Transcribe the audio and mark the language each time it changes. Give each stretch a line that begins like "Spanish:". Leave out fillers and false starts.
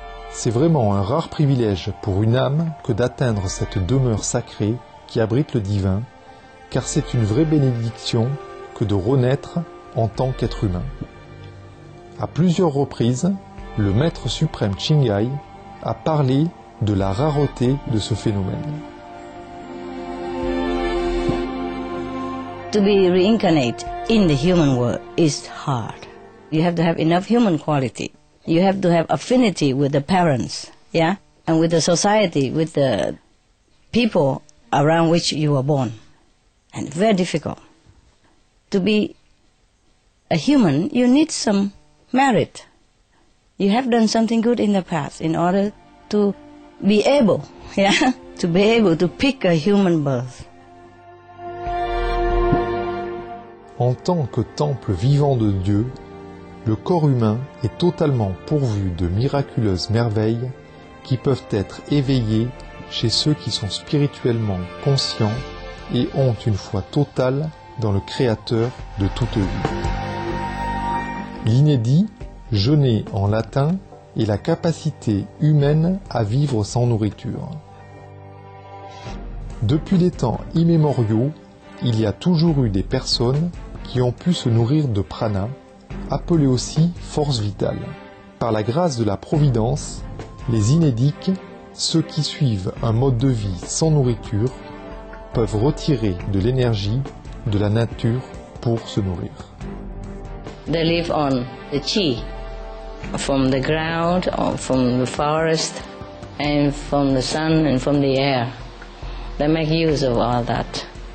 French: C'est vraiment un rare privilège pour une âme que d'atteindre cette demeure sacrée qui abrite le divin, car c'est une vraie bénédiction que de renaître en tant qu'être humain. À plusieurs reprises, le Maître suprême Qinghai a parlé de la rareté de ce phénomène.
English: To be reincarnate in the human world is hard. You have to have enough human quality. You have to have affinity with the parents, yeah? And with the society, with the people around which you were born. And very difficult. To be a human, you need some merit. You have done something good in the past in order to be able, yeah? To be able to pick a human birth.
French: En tant que temple vivant de Dieu, le corps humain est totalement pourvu de miraculeuses merveilles qui peuvent être éveillées chez ceux qui sont spirituellement conscients et ont une foi totale dans le Créateur de toute vie. L'inédit, jeûné en latin, est la capacité humaine à vivre sans nourriture. Depuis les temps immémoriaux, il y a toujours eu des personnes qui ont pu se nourrir de prana, appelé aussi force vitale. Par la grâce de la Providence, les inédiques, ceux qui suivent un mode de vie sans nourriture, peuvent retirer de l'énergie de la nature pour se nourrir.
English: They live on the chi, from the ground, from the forest, and from the sun and from the air. They make use of all that.